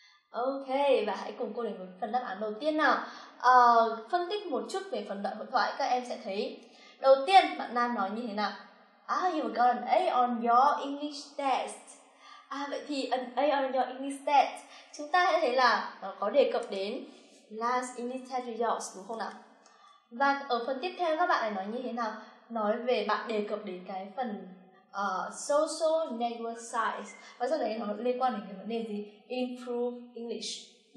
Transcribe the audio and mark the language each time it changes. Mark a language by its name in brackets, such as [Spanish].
[Vietnamese] Ok, và hãy cùng cô đến với phần đáp án đầu tiên nào. Phân tích một chút về phần đoạn hội thoại, các em sẽ thấy. Đầu tiên, bạn Nam nói như thế nào? [English] Ah, you've got an A on your English test. Vậy thì an A on your English test. [Vietnamese] Chúng ta sẽ thấy là nó có đề cập đến last English test of yours, đúng không nào? Và ở phần tiếp theo các bạn này nói như thế nào? Nói về bạn đề cập đến cái phần social network sites. Và sau đấy nó liên quan đến cái vấn đề gì? Improve English.